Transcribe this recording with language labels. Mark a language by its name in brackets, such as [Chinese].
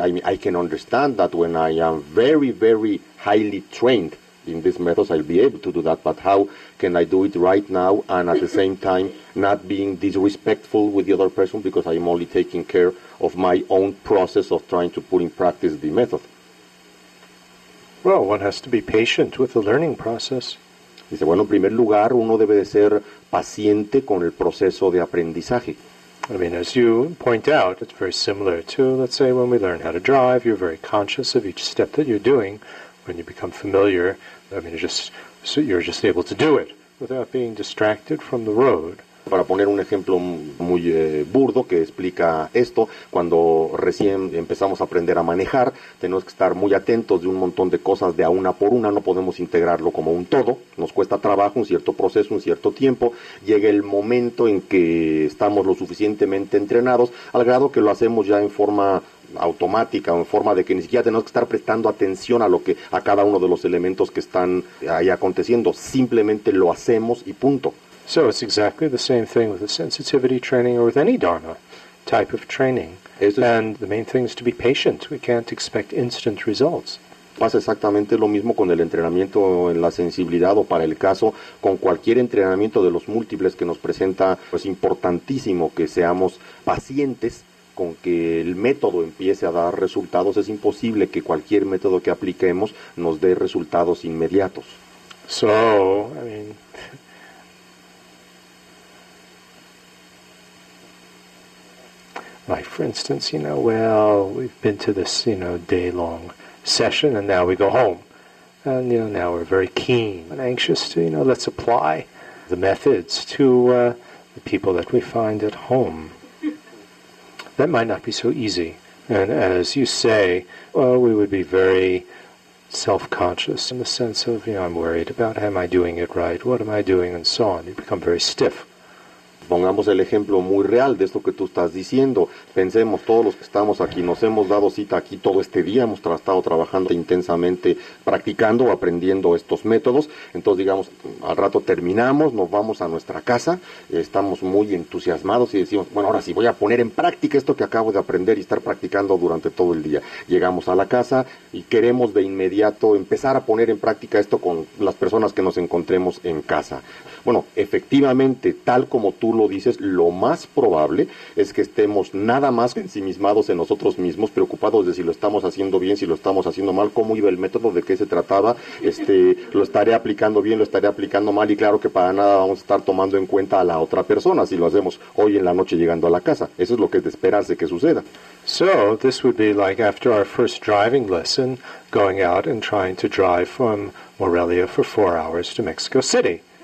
[English] I mean, I can understand that when I am very, very highly trained in these methods, I'll be able to do that, but how can I do it right now and at the same time not being disrespectful with the other person because I'm only taking care of my own process of trying to put in practice the method? Well, one has to be patient with the learning process. [Spanish] Dice, bueno, en primer lugar, uno debe de ser paciente con el proceso de aprendizaje. [English] I mean, as you point out, it's very similar to, let's say, when we learn how to drive, you're very conscious of each step that you're doing. When you become familiar, I mean, you're just able to do it without being distracted from the road. [Spanish] Para poner un ejemplo muy burdo que explica esto, cuando recién empezamos a aprender a manejar, tenemos que estar muy atentos de un montón de cosas de a una por una, no podemos integrarlo como un todo, nos cuesta trabajo, un cierto proceso, un cierto tiempo, llega el momento en que estamos lo suficientemente entrenados, al grado que lo hacemos ya en forma automática o en forma de que ni siquiera tenemos que estar prestando atención a lo que a cada uno de los elementos que están ahí aconteciendo, simplemente lo hacemos y punto. [English] So it's exactly the same thing with the sensitivity training or with any dharma. type of training. And the main thing is to be patient. We can't expect instant results. [Spanish] Pasa exactamente lo mismo con el entrenamiento en la sensibilidad o para el caso con cualquier entrenamiento de los múltiples que nos presenta. Es importantísimo que seamos pacientes con que el método empiece a dar resultados. Es imposible que cualquier método que apliquemos nos dé resultados inmediatos. [English] So, like, for instance, you know, well, we've been to this, you know, day-long session, and now we go home. And, you know, now we're very keen and anxious to, you know, let's apply the methods to the people that we find at home. That might not be so easy. And as you say, well, we would be very self-conscious in the sense of, you know, I'm worried about, am I doing it right? What am I doing? And so on. You become very stiff. [Spanish] Pongamos el ejemplo muy real de esto que tú estás diciendo. Pensemos, todos los que estamos aquí, nos hemos dado cita aquí todo este día, hemos estado trabajando intensamente, practicando, aprendiendo estos métodos. Entonces, digamos, al rato terminamos, nos vamos a nuestra casa, estamos muy entusiasmados y decimos, bueno, ahora sí voy a poner en práctica esto que acabo de aprender y estar practicando durante todo el día. Llegamos a la casa y queremos de inmediato empezar a poner en práctica esto con las personas que nos encontremos en casa. Bueno, efectivamente, tal como tú lo dices, lo más probable es que estemos nada más ensimismados en nosotros mismos, preocupados de si lo estamos haciendo bien, si lo estamos haciendo mal, cómo iba el método, de qué se trataba, lo estaré aplicando bien, lo estaré aplicando mal, y claro que para nada vamos a estar tomando en cuenta a la otra persona si lo hacemos hoy en la noche llegando a la casa. Eso es lo que es de esperarse que suceda. [English] So, this would be like after our first driving lesson, going out and trying to drive from Morelia for 4 hours to Mexico City.